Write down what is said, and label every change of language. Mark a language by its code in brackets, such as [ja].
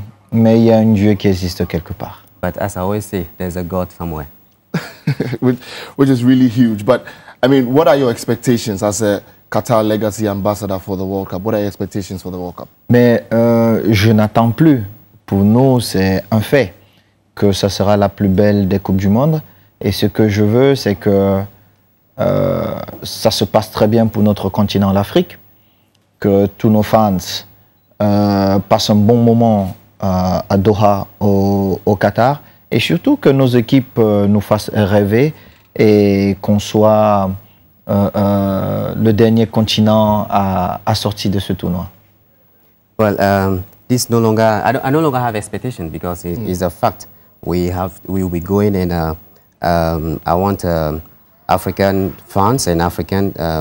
[fr] Mais il y a un Dieu qui existe quelque part. [en] But as I always say, there's a God somewhere. which is really huge. But I mean, what are your expectations as a Qatar legacy ambassador for the World Cup? What are your expectations for the World Cup? [fr] Mais je n'attends plus. Pour nous, c'est un fait que ça sera la plus belle des Coupes du Monde. Et ce que je veux, c'est que ça se passe très bien pour notre continent, l'Afrique, que tous nos fans passent un bon moment à Doha, au Qatar, et surtout que nos équipes nous fassent rêver et qu'on soit le dernier continent à sortir de ce tournoi. [en] Well, this no longer, I no longer have expectation because it is a fact. We'll be going and I want African fans and African...